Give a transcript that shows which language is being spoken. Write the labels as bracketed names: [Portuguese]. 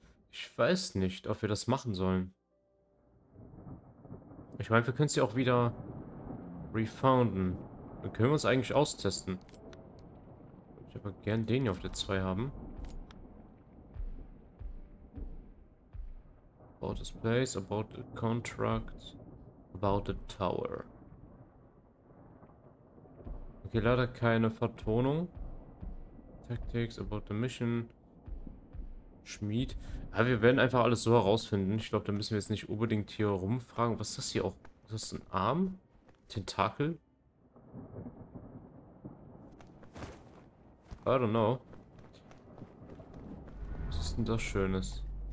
[German] Ich weiß nicht, ob wir das machen sollen. Ich meine, wir können sie auch wieder refounden. Dann können wir uns eigentlich austesten. Ich würde aber gern den hier auf der 2 haben. [English] About this place, about the contract, about the tower. [German] Okay, leider keine Vertonung. [English] Tactics, about the mission. [German] Schmied. Ja, wir werden einfach alles so herausfinden. Ich glaube, da müssen wir jetzt nicht unbedingt hier rumfragen. Was ist das hier auch? Ist das ein Arm? Tentakel? [English] I don't know. [German] Was ist denn das Schönes?